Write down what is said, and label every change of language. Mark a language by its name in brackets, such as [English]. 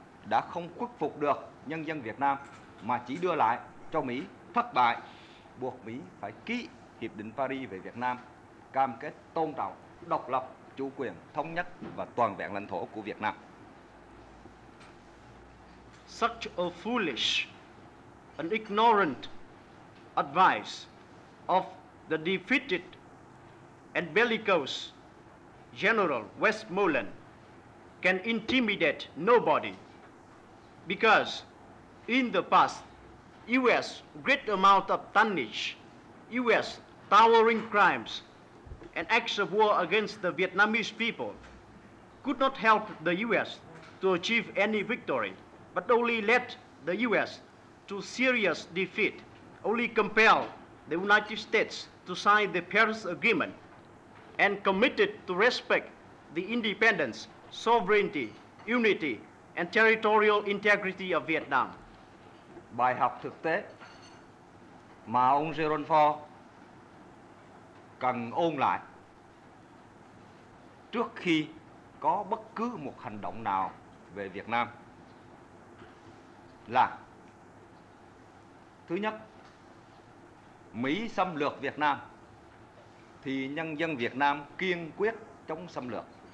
[Vietnamese] đã không khuất phục được nhân dân Việt Nam mà chỉ đưa lại cho Mỹ thất bại, buộc Mỹ phải ký Hiệp định Paris về Việt Nam, cam kết tôn trọng độc lập, chủ quyền, thống nhất và toàn vẹn lãnh thổ của Việt Nam. [English] Such a foolish and ignorant advice of the defeated and bellicose General Westmoreland can intimidate nobody, because in the past, U.S. great amount of tonnage, U.S. towering crimes and acts of war against the Vietnamese people could not help the U.S. to achieve any victory, but only led the U.S. to serious defeat, only compelled the United States to sign the Paris Agreement and committed to respect the independence, sovereignty, unity, and territorial integrity of Vietnam. [Vietnamese] Bài học thực tế mà ông Jerome Ford cần ôn lại trước khi có bất cứ một hành động nào về Việt Nam là: thứ nhất, Mỹ xâm lược Việt Nam thì nhân dân Việt Nam kiên quyết chống xâm lược.